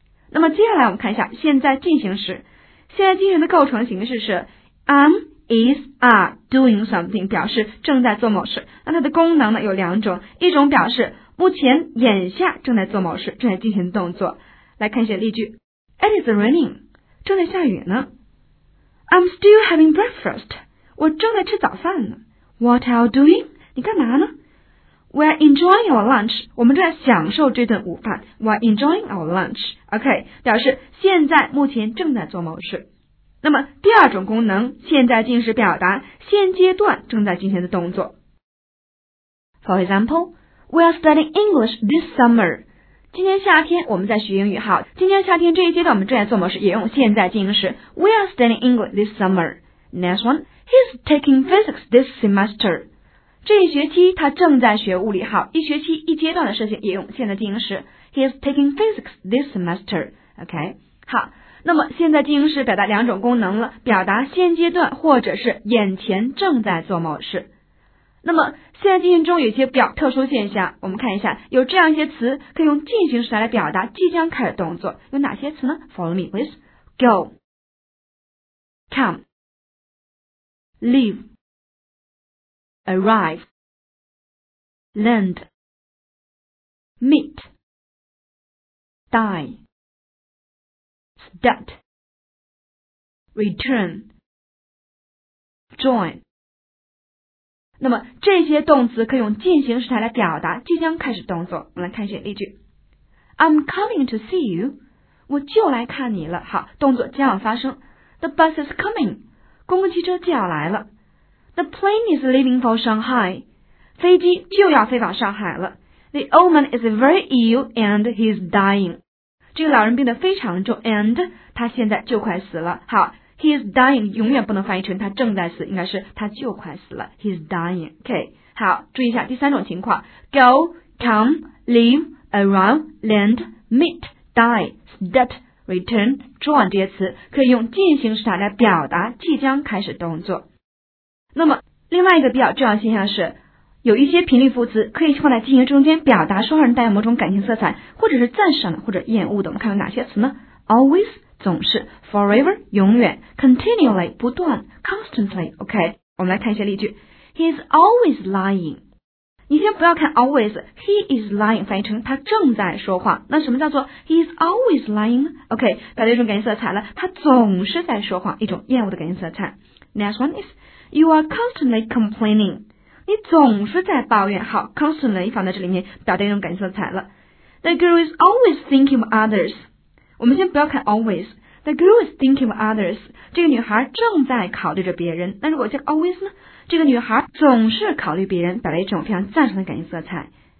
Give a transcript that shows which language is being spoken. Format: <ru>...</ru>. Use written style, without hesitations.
<zh>那么接下来我们看一下现在进行时，现在进行的构成形式是</zh> <en>I'm is are doing something，</en> <zh>表示正在做某事。那它的功能呢有两种，一种表示目前眼下正在做某事，正在进行动作。来看一些例句，</zh> <en>It is raining，</en> <zh>正在下雨呢。</zh> <en>I'm still having breakfast，</en> <zh>我正在吃早饭呢。</zh> <en>What are you doing？</en> <zh>你干嘛呢？</zh> <en>We're enjoying our lunch，</en> <zh>我们正在享受这顿午饭。</zh> <en>We're enjoying our lunch，</en> <zh>OK， 表示现在目前正在做某事。那么第二种功能，现在进行时表达现阶段正在进行的动作。</zh> <en>For example， We're studying English this summer，</en> <zh>今年夏天我们在学英语。好，今年夏天这一阶段我们正在做某事，也用现在进行时。</zh> <en>We're studying English this summer。 Next one， He's taking physics this semester，</en> <zh>这一学期他正在学物理。好，一学期一阶段的事情也用现在进行时。</zh> <en>He is taking physics this semester， OK。</en> <zh>好，那么现在进行时表达两种功能了，表达现阶段或者是眼前正在做某事。那么现在进行中有些表特殊现象，我们看一下，有这样一些词可以用进行时来表达即将开始动作，有哪些词呢？</zh> <en>Follow me please。 Go， Come， LeaveArrive, Land, Meet, Die, Start, Return, Join。</en> <zh>那么这些动词可以用进行时态来表达即将开始动作。我们来看一些例句，</zh> <en>I'm coming to see you，</en> <zh>我就来看你了。好，动作将要发生。</zh> <en>The bus is coming，</en> <zh>公共汽车就要来了。</zh> <en>The plane is leaving for Shanghai，</en> <zh>飞机就要飞往上海了。</zh> <en>The old man is very ill and he's dying，</en> <zh>这个老人病得非常重， and 他现在就快死了。好，</zh> <en>he's dying</en> <zh>永远不能翻译成他正在死，应该是他就快死了， he's dying， OK。好，注意一下第三种情况， go， come， leave， arrive， land， meet， die， start， return， join， 这些词可以用进行时态来表达即将开始动作。那么另外一个比较重要现象是，有一些频率副词可以放在进行中间表达说话人带有某种感情色彩，或者是赞赏或者厌恶的。我们看看哪些词呢？</zh> <en>Always</en> <zh>总是，</zh> <en>Forever</en> <zh>永远，</zh> <en>Continually</en> <zh>不断，</zh> <en>Constantly OK。</en> <zh>我们来看一些例句，</zh> <en>He is always lying，</en> <zh>你先不要看 always，</zh> <en>He is lying</en> <zh>翻译成他正在说话。那什么叫做</zh> <en>He is always lying？</en> <zh>OK， 表达一种感情色彩了，他总是在说话，一种厌恶的感情色彩。</zh> <en>Next one isYou are constantly complaining，</en> <zh>你总是在抱怨。好， constantly 放在这里面表达一种感情色彩了。</zh> <en>The girl is always thinking of others，</en> <zh>我们先不要看 always，</zh> <en>The girl is thinking of others，</en> <zh>这个女孩正在考虑着别人。那如果像 always 呢，这个女孩总是考虑别人，表达一种非常赞赏的感情色彩。</zh>